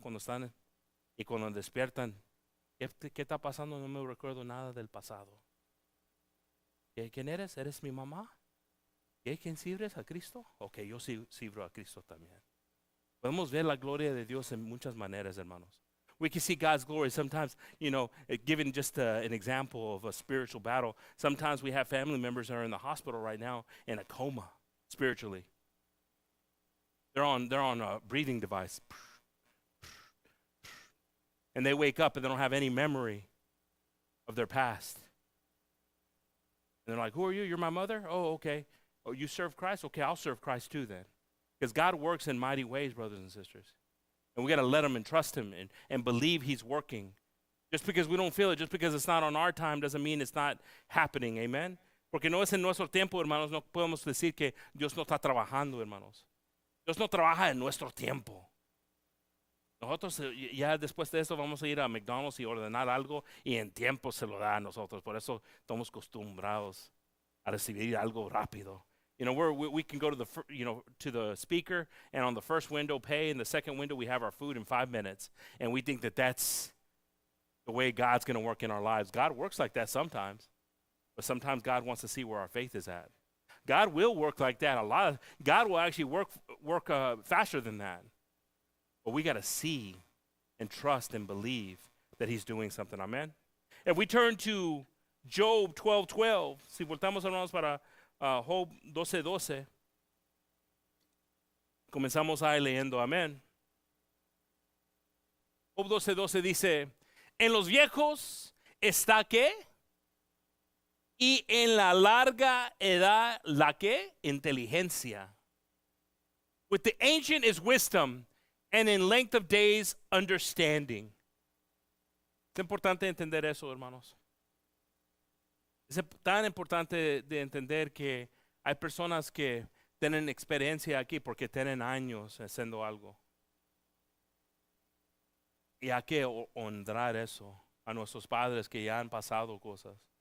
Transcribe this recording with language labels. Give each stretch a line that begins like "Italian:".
Spanish: Cuando están y cuando despiertan, ¿qué está pasando? No me recuerdo nada del pasado. ¿Quién eres? ¿Eres mi mamá? ¿Quién sirves a Cristo? Ok, yo sirvo a Cristo también. Podemos ver la gloria de Dios en muchas maneras, hermanos.
English: We can see God's glory sometimes, you know, given just an example of a spiritual battle. Sometimes we have family members that are in the hospital right now in a coma spiritually. They're on a breathing device. And they wake up and they don't have any memory of their past. And they're like, who are you? You're my mother? Oh, okay. Oh, you serve Christ? Okay, I'll serve Christ too then. Because God works in mighty ways, brothers and sisters. And we got to let him and trust him and believe he's working. Just because we don't feel it, just because it's not on our time, doesn't mean it's not happening. Amen?
Spanish: Porque no es en nuestro tiempo, hermanos. No podemos decir que Dios no está trabajando, hermanos. Dios no trabaja en nuestro tiempo. Nosotros ya después de esto vamos a ir a McDonald's y ordenar algo y en tiempo se lo da a nosotros. Por eso estamos acostumbrados a recibir algo rápido.
English: You know, we can go to the to the speaker and on the first window pay, and the second window we have our food in 5 minutes, and we think that that's the way God's going to work in our lives. God works like that sometimes, but sometimes God wants to see where our faith is at. God will work like that a lot. God will actually work faster than that, but we got to see and trust and believe that he's doing something. Amen. If we turn to Job 12:12,
Spanish: si voltamos hermanos para Job 12:12. Comenzamos ahí leyendo, amén. Job 12:12 dice, en los viejos está qué, y en la larga edad la qué, inteligencia.
English: With the ancient is wisdom, and in length of days understanding.
Spanish: Es importante entender eso, hermanos. Es tan importante de entender que hay personas que tienen experiencia aquí porque tienen años haciendo algo. Y hay que honrar eso a nuestros padres que ya han pasado cosas.